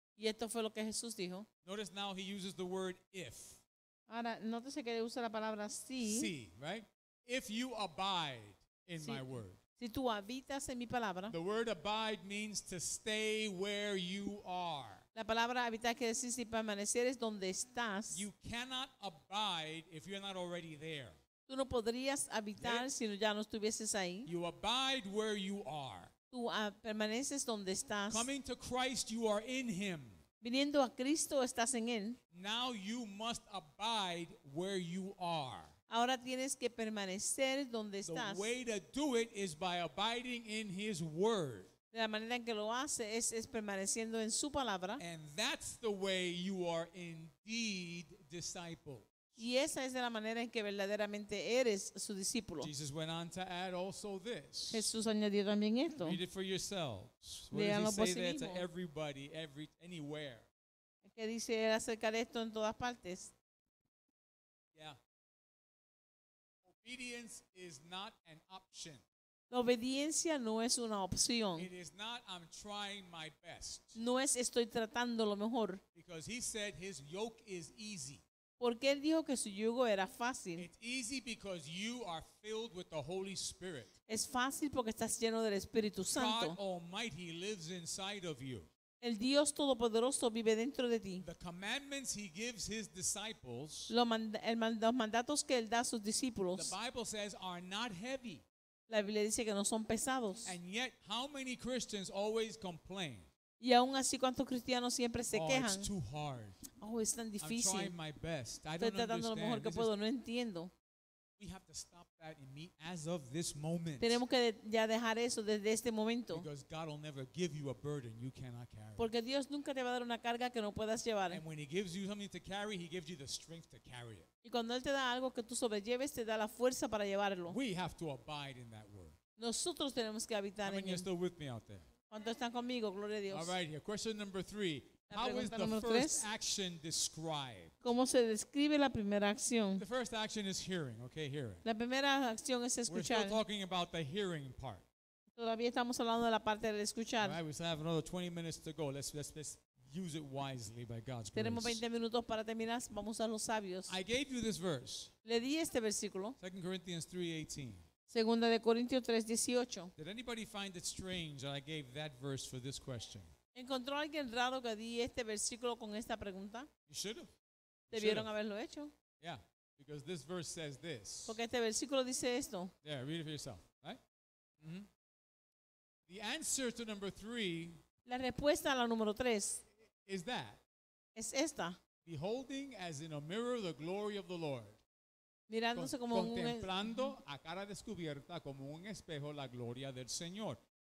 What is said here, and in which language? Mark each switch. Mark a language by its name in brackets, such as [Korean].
[Spanish] Y esto fue lo que Jesús dijo. [English] Notice now he uses the word if. [Spanish] Ahora, nótese que usa la palabra si. [English] Si, right? If you abide in [Spanish] si. [English] My word. [Spanish] Si tú habitas en mi palabra. [English] The word abide means to stay where you are. [Spanish] La palabra habitar quiere decir si permanecer es donde estás. [English] You cannot abide if you're not already there. [Spanish] Tú no podrías habitar si ya no estuvieses ahí. [English] You abide where you are. [Spanish] Tú permaneces donde estás. [English] Coming to Christ, you are in him. [Spanish] Viniendo a Cristo, estás en él. [English] Now you must abide where you are. [Spanish] Ahora tienes que permanecer donde estás. [English] The way to do it is by abiding in his word. [Spanish] De la manera en que lo hace es permaneciendo en su palabra. [English] And that's the way you are indeed disciples. [Spanish] Y esa es de la manera en que verdaderamente eres su discípulo. [English] Jesus went on to add also this. [Spanish] Jesús añadió también esto. [English] Read it for yourselves. What [Spanish] Léanlo [English] does he say there [Spanish] mismo. [English] To everybody, every, anywhere? [Spanish] ¿Qué dice él acerca de esto en todas partes? [English] Yeah. Obedience is not an option. [Spanish] La obediencia no es una opción. [English] It is not, I'm trying my best. [Spanish] No es estoy tratando lo mejor. [English] Because he said his yoke is easy. [Spanish] Porque él dijo que su yugo era fácil. [English] It's easy because you are filled with the Holy Spirit. [Spanish] Es fácil porque estás lleno del Espíritu Santo. [English] God Almighty lives inside of you. [Spanish] El Dios Todopoderoso vive dentro de ti. [English] The commandments he gives his disciples, [Spanish] los mandatos que él da a sus discípulos, [English] the Bible says, are not heavy. [Spanish] La Biblia dice que no son pesados. [English] And yet, how many Christians always complain? [Spanish] Y aún así, ¿cuántos cristianos siempre se quejan? [English] Oh, it's too hard. [Spanish] Oh, es tan difícil. [English] I'm trying my best. I [Spanish] Estoy tratando lo mejor que [English] this [Spanish] puedo. [English] Is, [Spanish] no entiendo. [English] We have to stop that in me as of this moment. [Spanish] Tenemos que ya dejar eso desde este momento. [English] Because God will never give you a burden you cannot carry. [Spanish] Porque Dios nunca te va a dar una carga que no puedas llevar. [English] And when he gives you something to carry, he gives you the strength to carry it. [Spanish] Y cuando él te da algo que tú sobrelleves, te da la fuerza para llevarlo. [English] We have to abide in that word. [Spanish] Nosotros tenemos que habitar [English] How many [Spanish] en él. [English] Still with me out there? [Spanish] ¿Cuántos están conmigo? Gloria a Dios. [English] All right, here. Question number three. How is the first action described? [Spanish] ¿Cómo se describe la primera acción? [English] The first action is hearing. Okay, hearing. [Spanish] La primera acción es escuchar. [English] We're still talking about the hearing part. [Spanish] Todavía estamos hablando de la parte de escuchar. [English] All right, we still have another 20 minutes to go. Let's use it wisely by God's grace. [Spanish] Tenemos 20 minutos para terminar. Vamos a los sabios. [English] I gave you this verse. [Spanish] Le di este versículo. [English] 2 Corinthians 3:18. [Spanish] Segunda de Corintios 3:18. [English] Did anybody find it strange that I gave that verse for this question? [Spanish] ¿Encontró alguien raro que di este versículo con esta pregunta? [English] You should have. [Spanish] Debieron haberlo hecho. [English] Yeah, because this verse says this. [Spanish] Porque este versículo dice esto. [English] Yeah, read it for yourself, right? Mm-hmm. The answer to number three. [Spanish] La respuesta a la número tres. [English] Is that? [Spanish] Es esta. [English] Beholding as in a mirror the glory of the Lord. [Spanish] Mirándose como contemplando a cara descubierta como un espejo la gloria del Señor.